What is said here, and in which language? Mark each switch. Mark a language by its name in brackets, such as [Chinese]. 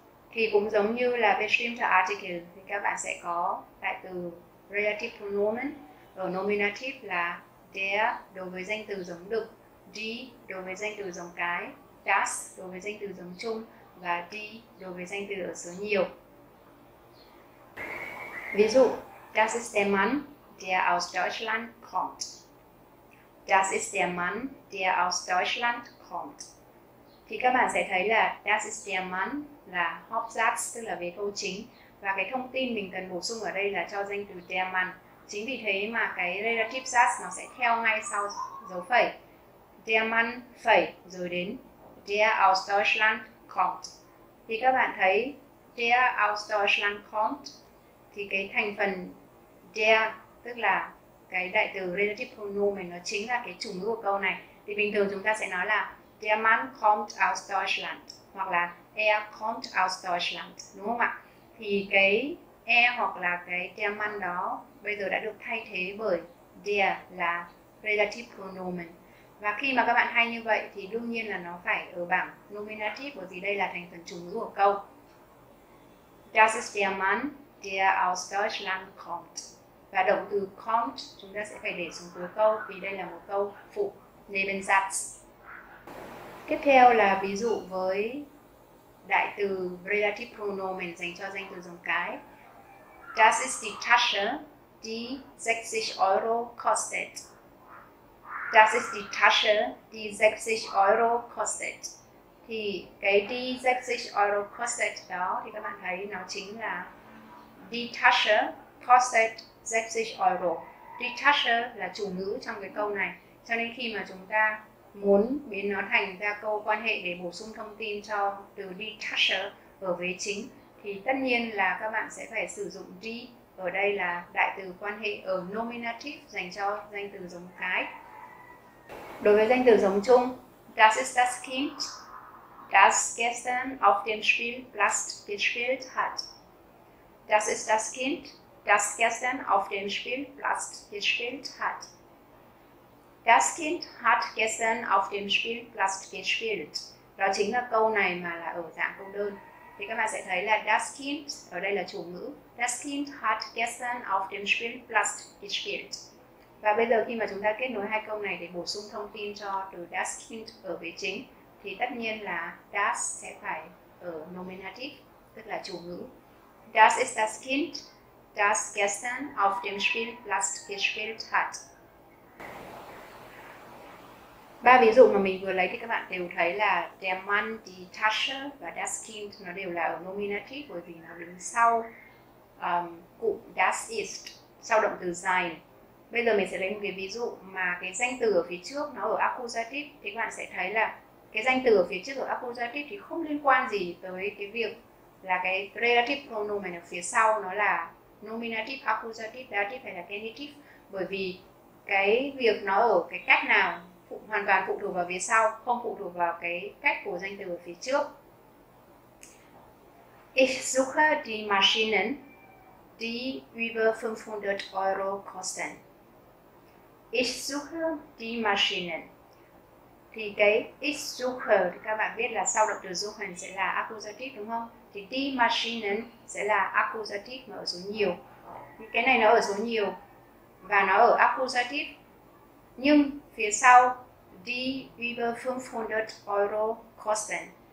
[Vietnamese] Thì cũng giống như là bestimmter article thì các bạn sẽ có đại từ relative pronomen ở nominative là der đối với danh từ giống đực, die đối với danh từ giống cái, das đối với danh từ giống chung và die đối với danh từ ở số nhiều. Ví dụ, [German] das ist der Mann, der aus Deutschland kommt. Das ist der Mann, der aus Deutschland kommt. [Vietnamese] Thì các bạn sẽ thấy là [German] das ist der Mann [Vietnamese] là Hauptsatz, tức là vế câu chính. Và cái thông tin mình cần bổ sung ở đây là cho danh từ der Mann. Chính vì thế mà cái relative past nó sẽ theo ngay sau dấu phẩy. [German] Der Mann, [Vietnamese] phẩy, rồi đến [German] der aus Deutschland kommt. [Vietnamese] Thì các bạn thấy [German] der aus Deutschland kommt [Vietnamese] thì cái thành phần der, tức là cái đại từ relative pronomen nó chính là cái chủ ngữ của câu này. Thì bình thường chúng ta sẽ nói là [German] der Mann kommt aus Deutschland [Vietnamese] hoặc là [German] er kommt aus Deutschland, [Vietnamese] đúng không ạ? Thì cái er hoặc là cái der Mann đó bây giờ đã được thay thế bởi der là relative pronomen. Và khi mà các bạn hay như vậy thì đương nhiên là nó phải ở bảng nominative bởi vì đây là thành phần chủ ngữ của câu. [German] Das ist der Mann, der aus Deutschland kommt. [Vietnamese] Và động từ kommt chúng ta sẽ phải để xuống cuối câu vì đây là một câu phụ Nebensatz. Tiếp theo là ví dụ với đại từ relative pronomen dành cho danh từ giống cái. [German] Das ist die Tasche, die 60 Euro kostet. Das ist die Tasche, die 60 Euro kostet. [Vietnamese] Thì cái [German] die 60 Euro kostet [Vietnamese] đó thì các bạn thấy nó chính là [German] die Tasche kostet 60 Euro. [Vietnamese] Die Tasche là chủ ngữ trong cái câu này. Cho nên khi mà chúng ta muốn biến nó thành ra câu quan hệ để bổ sung thông tin cho từ die Tasche ở vế chính thì tất nhiên là các bạn sẽ phải sử dụng die ở đây là đại từ quan hệ ở nominative dành cho danh từ giống cái. Đối với danh từ giống chung, [German] das ist das Kind, das gestern auf dem Spielplatz gespielt hat. Das ist das Kind, das gestern auf dem Spielplatz gespielt hat. Das Kind hat gestern auf dem Spielplatz gespielt. [Vietnamese] Đó chính là câu này mà là ở dạng câu đơn. Thì các bạn sẽ thấy là das Kind, ở đây là chủ ngữ. [German] Das Kind hat gestern auf dem Spielplatz gespielt. [Vietnamese] Và bây giờ khi mà chúng ta kết nối hai câu này để bổ sung thông tin cho từ das Kind ở vế chính thì tất nhiên là das sẽ phải ở nominative, tức là chủ ngữ. [German] Das ist das Kind, das gestern auf dem Spielplatz gespielt hat. [Vietnamese] Ba ví dụ mà mình vừa lấy thì các bạn đều thấy là der Mann, die Tasche và das Kind nó đều là ở nominative bởi vì nó đứng sau cụm [German] das ist, [Vietnamese] sau động từ sein. Bây giờ mình sẽ lấy một cái ví dụ mà cái danh từ ở phía trước nó ở accusative thì các bạn sẽ thấy là cái danh từ ở phía trước ở accusative thì không liên quan gì tới cái việc là cái relative pronoun này ở phía sau nó là nominative, accusative, dative hay là genitive bởi vì cái việc nó ở cái cách nào phụ, hoàn toàn phụ thuộc vào phía sau, không phụ thuộc vào cái cách của danh từ ở phía trước. [German] Ich suche die Maschinen, die über 500 Euro kosten. Ich suche die Maschinen. [Vietnamese] thì cái ist-Suche thì các bạn biết là sau động từ suchen sẽ là accusative đúng không? Thì die Maschinen sẽ là accusative mà ở số nhiều. Cái này nó ở số nhiều và nó ở accusative. Nhưng phía sau [German] die über 500 Euro kosten.